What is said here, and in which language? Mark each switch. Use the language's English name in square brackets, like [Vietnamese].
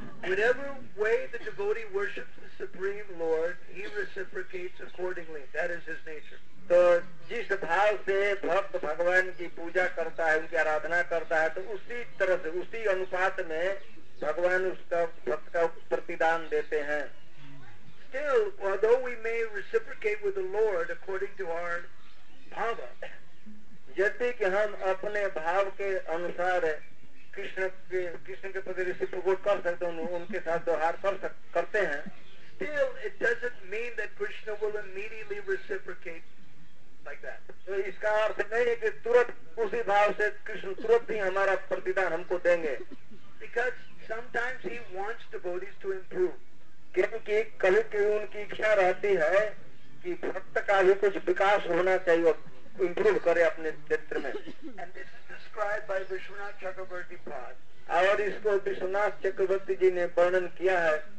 [English] Whatever way the devotee worships the supreme lord he reciprocates accordingly, that is his nature. [Hindi] तो जिस भाव से भक्त भगवान की पूजा करता है उनकी आराधना करता है तो उसी तरह से उसी अनुपात में भगवान उसका भक्त का प्रतिदान देते हैं. [English] Still, although we may reciprocate with the Lord according to our bhava, [Hindi] यदि कि हम अपने भाव के अनुसार कृष्ण के प्रति रिसिप्रोकेट कर सकते हैं उनके साथ व्यवहार करते हैं. [English] Still, it doesn't mean that Krishna will immediately reciprocate like that. [Hindi] तो इसका अर्थ नहीं है कि तुरंत उसी भाव से कृष्ण तुरंत ही हमारा प्रतिदान हमको देंगे. [English] Because sometimes he wants devotees to improve. [Hindi] क्योंकि कभी कभी उनकी इच्छा रहती है कि भक्त का भी कुछ विकास होना चाहिए और इम्प्रूव करे अपने क्षेत्र में. [English] And this is described by Vishwanath Chakravarti Pad. [Hindi] और इसको विश्वनाथ चक्रवर्ती जी ने वर्णन किया है